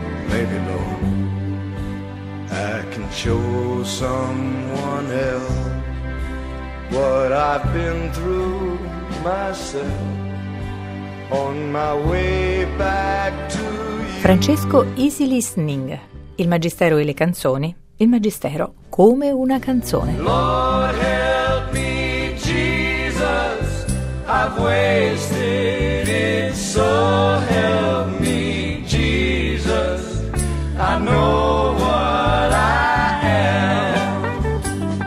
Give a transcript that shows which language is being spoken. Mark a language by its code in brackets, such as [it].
[en] Maybe, Lord, I can show someone else what I've been through myself on my way back to you. [it] Francesco Easy Listening, il Magistero e le canzoni, il Magistero come una canzone. [en] Lord help me, Jesus, I've wasted it. So help me, Jesus, I know what I am.